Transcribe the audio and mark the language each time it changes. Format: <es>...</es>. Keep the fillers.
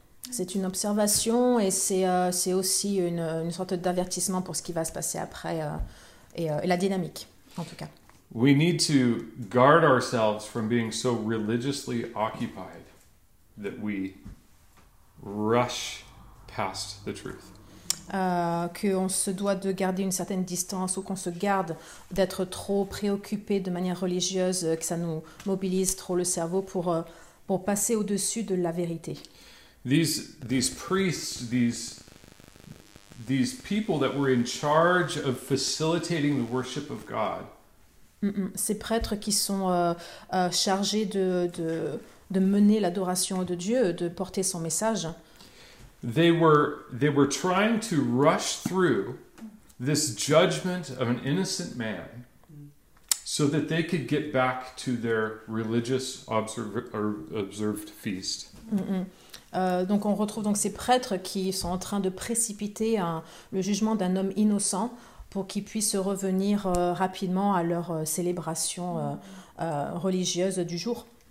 <fr>c'est une observation et c'est euh, aussi une, une sorte d'avertissement pour ce qui va se passer après euh, et, euh, et la dynamique en tout cas.</fr> <en>we need to guard ourselves from being so religiously occupied that we rush past the truth.</en> <fr>Euh, qu'on se doit de garder une certaine distance ou qu'on se garde d'être trop préoccupé de manière religieuse, que ça nous mobilise trop le cerveau pour, pour passer au-dessus de la vérité.</fr> <en>These, these priests, these, these people that were in charge of facilitating the worship of God, Mm -hmm.</en> <fr>Ces prêtres qui sont euh, euh, chargés de, de, de mener l'adoration de Dieu, de porter son message.</fr> <en>They were, they were trying to rush through this judgment of an innocent man so that they could get back to their religious observer, or observed feast. Mm -hmm.</en> <fr>Euh, donc on retrouve donc ces prêtres qui sont en train de précipiter un, le jugement d'un homme innocent pour qu'ils puissent revenir euh, rapidement à leur euh, célébration euh, religieuse du jour.</fr>